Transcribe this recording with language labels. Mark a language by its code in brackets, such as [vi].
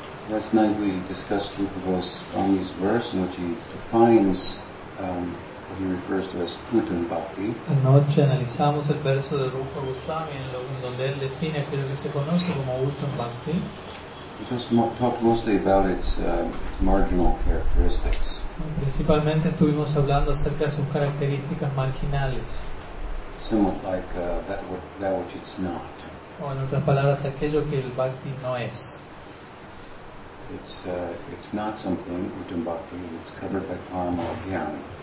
[en] Last night we discussed Rupa Goswami's verse in which he defines what he refers to as Putan Bhakti. [es] Anoche analizamos el verso de Rupa Goswami en donde él define aquello que se conoce como Putan Bhakti. [en] We just talked mostly about its marginal characteristics. [es] Principalmente estuvimos hablando acerca de sus características marginales. [en] Somewhat like that which it's not. [es] O en otras palabras, aquello que el Bhakti no es. [en] It's not something Putan Bhakti. It's covered by karma or jnana.